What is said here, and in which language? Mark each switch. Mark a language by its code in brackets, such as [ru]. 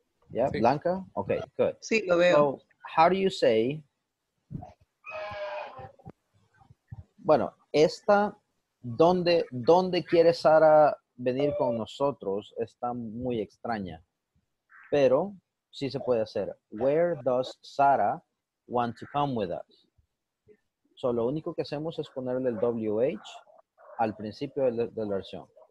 [en] Yeah, sí. Blanca? Okay, good. [es] Sí, lo veo. [en] So, how do you say? [es] Bueno, esta, ¿dónde quiere Sara venir con nosotros? Está muy extraña. Pero sí se puede hacer. [en] Where does Sara want to come with us? [es] So, lo único que hacemos es ponerle el WH al principio de la oración.